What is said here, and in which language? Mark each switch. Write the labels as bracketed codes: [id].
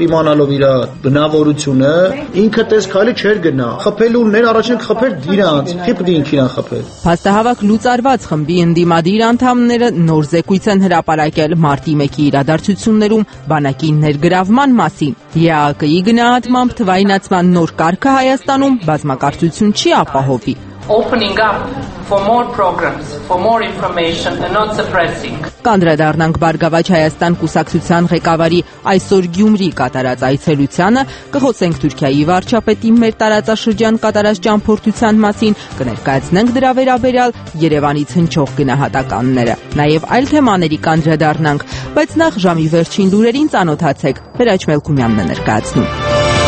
[hy] Իմանալով իր բնավորությունը, ինքը տես քալի չէր գնա։ Խփելուններ առաջ են խփել դրանց, դիպտին քինան խփել։ Փաստահավաք լուծարված խմբի ընդիմադիր անդամները նոր զեկույց են հրապարակել մարտի 1-ի իրադարձություններում բանակի ներգրավման մասին։ ԵԱԿ-ի գնահատմամբ թվայնացման նոր կարգը Հայաստանում բազմակարծություն չի ապահովի։ [en] Opening up for more programs, for more information and not suppressing. [hy] Կանդրադառնանք Բարգավաճ Հայաստան կուսակցության ղեկավարի այսօր Գյումրի կատարած այցելությանը, կխոսենք Թուրքիայի վարչապետի մեր տարածաշրջան կատարած ճամփորդության մասին, կներկայացնենք դրա վերաբերյալ Երևանից հնչող գնահատականները։ Նաև այլ թեմաների կանդրադառնանք, բայց նախ ժամի վերջին լուրերին ծանոթացեք, Վերաջ Մելքումյանն է ներկայացնում։